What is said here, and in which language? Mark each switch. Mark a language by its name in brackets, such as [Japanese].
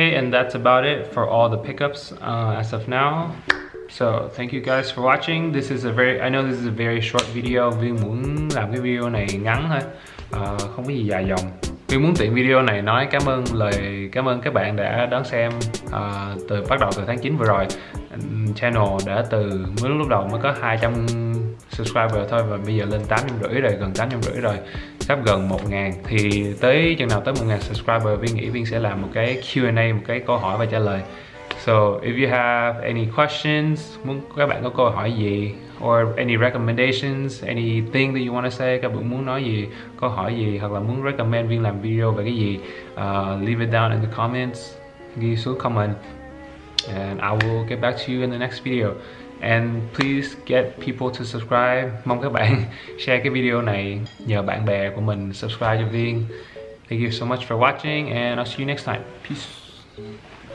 [English] That's about it for all the pickups as of now. So thank you guys for watching. I know this is a very short video. [Vietnamese] Viên muốn làm cái video này ngắn thôi, không có gì dài dòng. Viên muốn tiện video này nói cảm ơn các bạn đã đón xem từ bắt đầu từ tháng 9 vừa rồi. Channel đã từ lúc đầu mới có 200 subscriber thôi và bây giờ lên 850 rồi, gần 850 rồi, sắp gần 1000. Thì tới chừng nào tới 1000 subscriber, Viên nghĩ Viên sẽ làm một cái Q&A, một cái câu hỏi và trả lời. [English] So if you have any questions, [Vietnamese] muốn các bạn có câu hỏi gì, [English] or any recommendations, anything that you want to say, [Vietnamese] các bạn muốn nói gì, câu hỏi gì, hoặc là muốn recommend Viên làm video về cái gì, [English] leave it down in the comments, [Vietnamese] ghi xuống comment, [English] and I will get back to you in the next video. And please get people to subscribe. [Vietnamese] Mong các bạn share cái video này, nhờ bạn bè của mình subscribe cho Viên. [English] Thank you so much for watching and I'll see you next time. Peace.